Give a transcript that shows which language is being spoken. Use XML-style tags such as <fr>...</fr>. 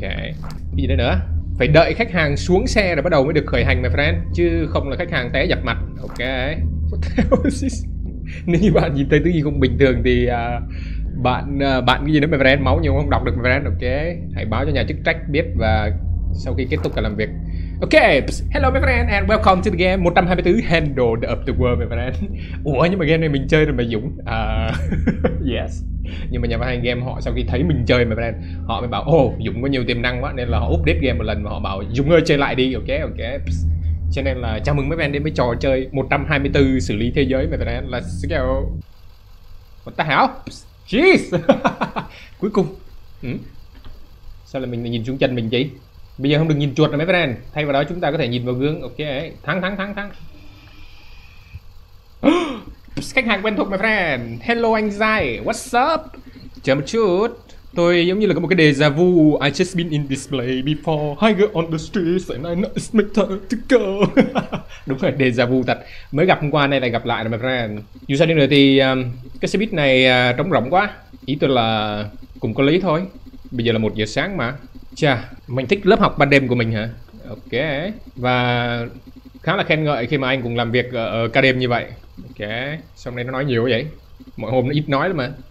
<vi>Cái gì đây nữa? Phải đợi khách hàng xuống xe rồi bắt đầu mới được khởi hành</vi> <en>my friend,</en> <vi>chứ không là khách hàng té giặt mặt. Ok.</vi> <en>What the hell is this?</en> <vi>Nếu như bạn nhìn thấy thứ gì không bình thường thì bạn cái gì đó</vi> <en>my friend,</en> <vi>máu nhiều không đọc được my friend, ok? Hãy báo cho nhà chức trách biết và sau khi kết thúc cả làm việc.</vi> <en>Ok, hello my friend and welcome to the game 124 Handle of the World my friend.</en> <vi>Ủa nhưng mà game này mình chơi rồi mà Dũng.</vi> <en>Yes.</en> <vi>Nhưng mà nhà phát hành game họ sau khi thấy mình chơi</vi> <en>my friend,</en> <vi>họ mới bảo Dũng có nhiều tiềm năng quá nên là họ update game một lần và họ bảo Dũng ơi chơi lại đi.</vi> <en>Ok, ok.</en> <vi>Cho nên là chào mừng</vi> <en>my friend</en> <vi>đến với trò chơi 124 xử lý thế giới my friend.</vi> <en>Let's go. What the hell? Jeez.</en> <vi>Cuối cùng. Sao là mình nhìn xuống chân mình vậy? Bây giờ không được nhìn chuột nữa mấy friend. Thay vào đó chúng ta có thể nhìn vào gương. Ok, thắng. Khách hàng quen thuộc mấy friend.</vi> <en>Hello</en> <vi>anh Zai,</vi> <en>what's up?</en> <vi>Chờ một chút. Tôi giống như là có một cái deja vu.</vi> <en>I just been in this place before. Hi girl on the streets and I know it's my turn to go.</en> <vi>Đúng rồi, deja vu thật. Mới gặp hôm qua nay lại gặp lại rồi mấy friend. Dù sao đi nữa thì cái xe buýt này trống rỗng quá. Ý tôi là cũng có lý thôi. Bây giờ là 1 giờ sáng mà. Chà, mình thích lớp học ban đêm của mình hả? Ok. Và khá là khen ngợi khi mà anh cùng làm việc ở ca đêm như vậy. Ok. Xong đây nó nói nhiều vậy. Mọi hôm nó ít nói lắm mà.</vi>